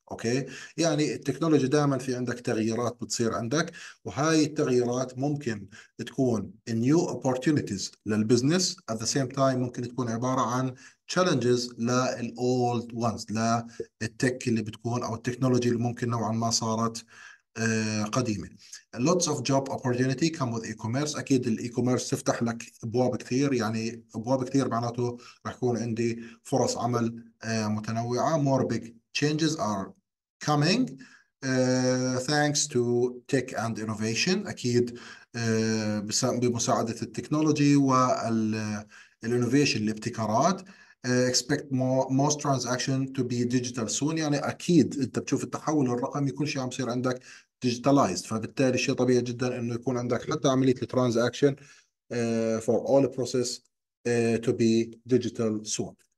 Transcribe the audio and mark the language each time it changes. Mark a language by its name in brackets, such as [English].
[Arabic] اوكي، يعني التكنولوجيا دائما في عندك تغييرات بتصير عندك، وهاي التغييرات ممكن تكون [English] new opportunities [Arabic] للبزنس، [English] at the same time [Arabic] ممكن تكون عبارة عن challenges للold ones، للتك اللي بتكون او التكنولوجيا اللي ممكن نوعا ما صارت قديمة. [English] lots of job opportunity come with e-commerce. [Arabic] اكيد الاي-commerce تفتح لك ابواب كثير، يعني ابواب كثير معناته رح يكون عندي فرص عمل متنوعة. [English] more big changes are coming thanks to tech and innovation. [Arabic] اكيد بمساعدة التكنولوجي والانوفيشن، الابتكارات. [English] expect most transaction to be digital soon. [Arabic] يعني اكيد انت بتشوف التحول الرقمي، كل شيء عم يصير عندك digitalized، فبالتالي شيء طبيعي جدا انه يكون عندك حتى عملية الترانزاكشن [English] for all process to be digital soon.